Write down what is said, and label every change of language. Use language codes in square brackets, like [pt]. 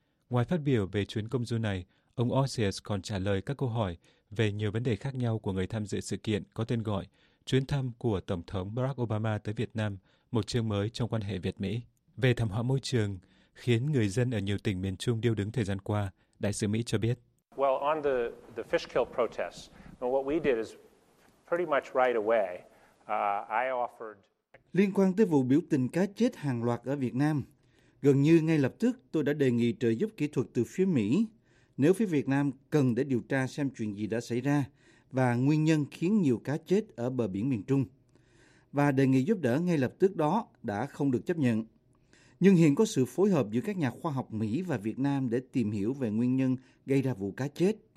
[vi] Ngoài phát biểu về chuyến công du này, ông Osius còn trả lời các câu hỏi về nhiều vấn đề khác nhau của người tham dự sự kiện có tên gọi Chuyến thăm của Tổng thống Barack Obama tới Việt Nam, một chương mới trong quan hệ Việt-Mỹ. Về thảm họa môi trường khiến người dân ở nhiều tỉnh miền Trung điêu đứng thời gian qua, đại sứ Mỹ cho biết. [en] Well, on the Fishkill protests, what we did is pretty much right away. I offered. [vi] Liên quan tới vụ biểu tình cá chết hàng loạt ở Việt Nam, gần như ngay lập tức tôi đã đề nghị trợ giúp kỹ thuật từ phía Mỹ nếu phía Việt Nam cần để điều tra xem chuyện gì đã xảy ra và nguyên nhân khiến nhiều cá chết ở bờ biển miền Trung. Và đề nghị giúp đỡ ngay lập tức đó đã không được chấp nhận. Nhưng hiện có sự phối hợp giữa các nhà khoa học Mỹ và Việt Nam để tìm hiểu về nguyên nhân gây ra vụ cá chết.